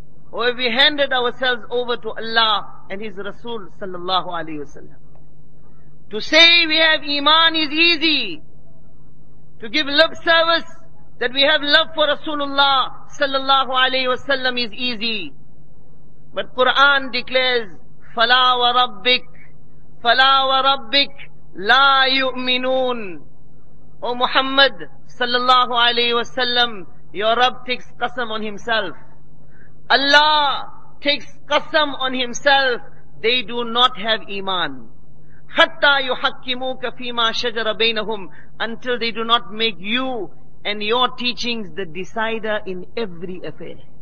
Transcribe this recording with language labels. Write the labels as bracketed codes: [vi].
[en] Or have we handed ourselves over to Allah and His Rasul sallallahu alayhi wasallam? To say we have iman is easy. To give lip service that we have love for Rasulullah sallallahu alayhi wasallam is easy. But Quran declares, [ar] فَلَا وَرَبِّكْ فَلَا وَرَبِّكْ لا يؤمنون. [en] O Muhammad sallallahu alayhi wa sallam, your Rabb takes qasam on himself. Allah takes qasam on himself. They do not have iman. [ar] Hatta yuhakkimuka fima shajara bainahum, [en] until they do not make you and your teachings the decider in every affair.